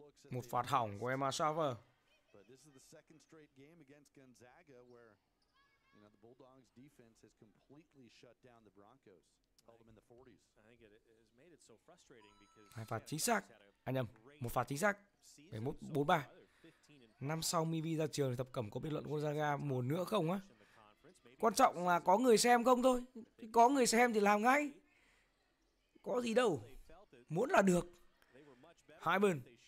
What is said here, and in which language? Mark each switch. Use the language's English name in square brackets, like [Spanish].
[Vietnamese] Một phạt hỏng của Emma Schaffer. [English] But this is the second straight game against Gonzaga where, you know, the Bulldogs' defense has completely shut down the Broncos. Held them in the 40s. I think it has made it so frustrating because... [Vietnamese] Hai phạt chính xác. Anh em, một phạt chính xác. 41-43. Năm sau Mivi ra trường, Thập Cẩm có biết luận Gonzaga một nữa không á? Quan trọng là có người xem không thôi. Có người xem thì làm ngay. Có gì đâu. Muốn là được. Hai bên.